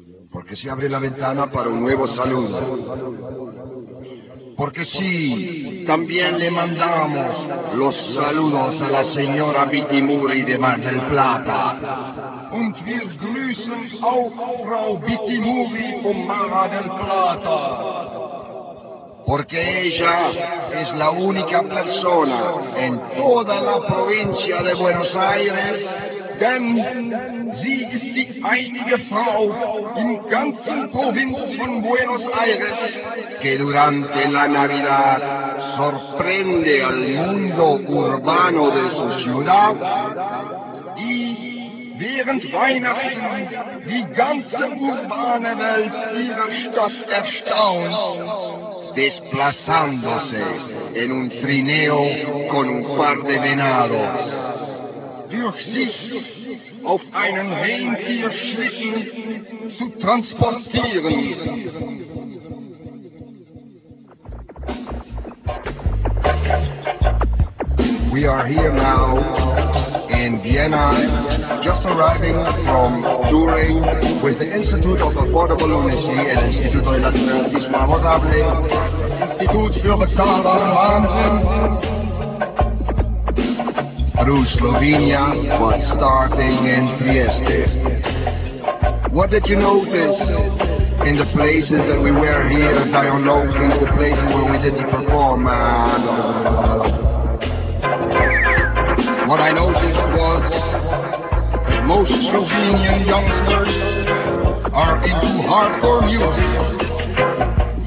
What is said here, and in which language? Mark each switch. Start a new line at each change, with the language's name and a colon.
Spanish: porque se abre la ventana para un nuevo saludo, porque sí, también le mandamos los saludos a la señora Vitimuri de Mar del Plata.
German: und wir grüßen auch Frau Bitty Muri vom Mara del Plata.
Spanish: Porque ella es la única persona en toda la provincia de Buenos Aires.
German: Denn sie ist die einzige Frau im ganzen Provinz von Buenos Aires,
Spanish: que durante la Navidad sorprende al mundo urbano de su ciudad,
German: y während Weihnachten die ganze urbane Welt ihrer Stadt erstaunt,
Spanish: desplazándose en un trineo con un par de venados.
German: Durch sich auf einen Rentierschlitten zu transportieren.
English: We are here now in Vienna, just arriving from touring with the Institute of Affordable Lunacy and Instituto de la Tratismo Abordable.
German: Institut für bezahlbaren Wahnsinn.
English: Through Slovenia, but starting in Trieste. What did you notice in the places that we were here, dialoguing the places where we did the performance? What I noticed was most Slovenian youngsters are into hardcore music.